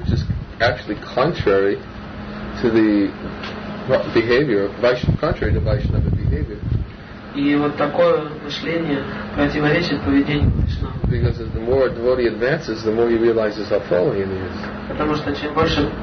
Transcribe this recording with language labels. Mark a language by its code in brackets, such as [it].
[en] Which is actually contrary to the behavior, contrary to Vaishnava behavior. [ru] И вот такое мышление противоречит поведению Вайшнава. [en] Because the more a devotee advances, the more he realizes how fallen he is.